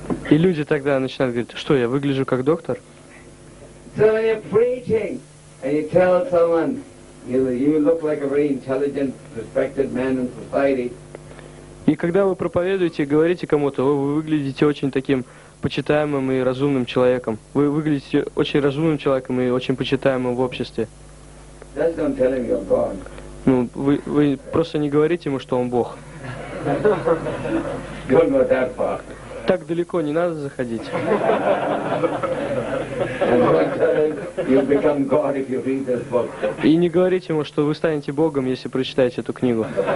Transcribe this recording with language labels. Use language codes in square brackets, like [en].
[ru] И люди тогда начинают говорить: что, я выгляжу как доктор? [en] So when you're preaching and you tell someone you look like a very intelligent, respected man in society. [ru] И когда вы проповедуете и говорите кому-то: вы выглядите очень таким почитаемым и разумным человеком. Вы выглядите очень разумным человеком и очень почитаемым в обществе. [en] Just don't tell him you're God. [ru] Ну, вы просто не говорите ему, что он Бог. [en] Don't go that far. [ru] Так далеко не надо заходить. [en] And don't tell him you'll become God if you read this book. [ru] И не говорите ему, что вы станете Богом, если прочитаете эту книгу.